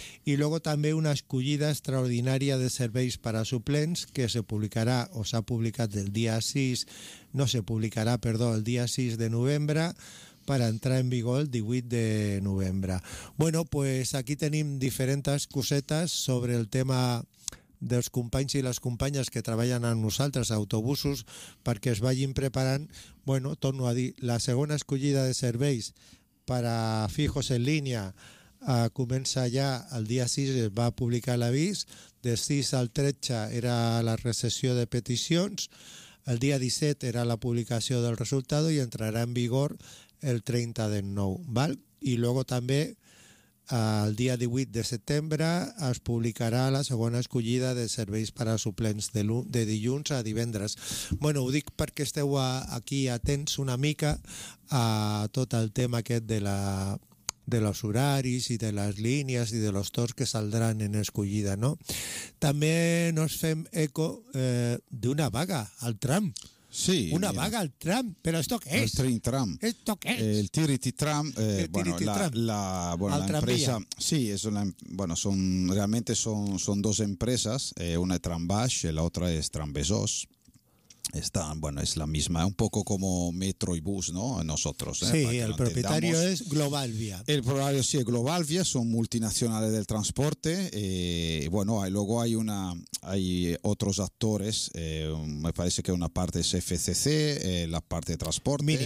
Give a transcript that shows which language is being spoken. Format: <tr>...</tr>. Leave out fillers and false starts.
<ca>Y luego també una escollida extraordinària de serveis per a suplents, que se publicarà o s'ha publicat el dia 6, no se publicarà, perdó, el dia 6 de novembre,</ca> <es>para entrar en vigor el 18 de novembre.</es> <ca>Bueno, pues aquí tenim diferents cosetes sobre el tema dels companys i les companyes que treballen amb nosaltres a autobusos, perquè es vagin preparant. Bueno, torno a dir, la segona escollida de serveis</ca> <es>para fijos en línea</es> <ca>comença ja el dia 6, es va publicar l'avís, del 6 al 13 era la recepció de peticions, el dia 17 era la publicació del resultat i entrarà en vigor el 30 de nou, val? I luego també el dia 18 de setembre es publicarà la segona escollida de serveis per a suplents de dilluns a divendres. Bueno, ho dic perquè esteu aquí atents una mica a tot el tema aquest de la de los horaris i de les línies i de los torns que saldran en escollida, no? També nos fem eco d'una vaga al tram. Sí, una vaga al tram, però això què és? El Tren Tram. Això què és? El Tirity Tram, l'empresa, sí, és una, bueno, són realment són dos empreses, una és Trambaix i l'altra és Trambesòs.</ca> <es>Están, bueno, es la misma, un poco como metro y bus, ¿no? Nosotros, sí, el propietario es Globalvia. El propietario sí es Globalvia, son multinacionales del transporte. Bueno, luego hay otros actores, me parece que una parte es FCC, la parte de transporte.</es>